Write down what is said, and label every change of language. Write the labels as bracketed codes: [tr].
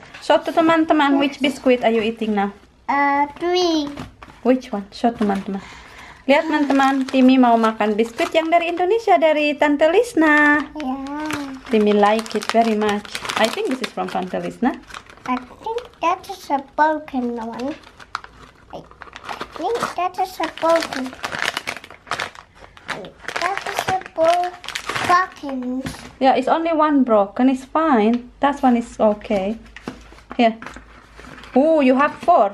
[en] So [id] teman-teman, [en] yes. Which biscuit are you eating now? Three. Which one? So [id] teman-teman. Lihat teman-teman, Timmy mau makan biskuit yang dari Indonesia, dari Tante Lisna. [en] Yeah. Timmy like it very much. I think this is from Tante Lisna. I think that is a broken one. I think that is a broken. That is a broken. Buttons. Yeah, it's only one broken. It's fine. That one is okay. Here. Oh, you have four.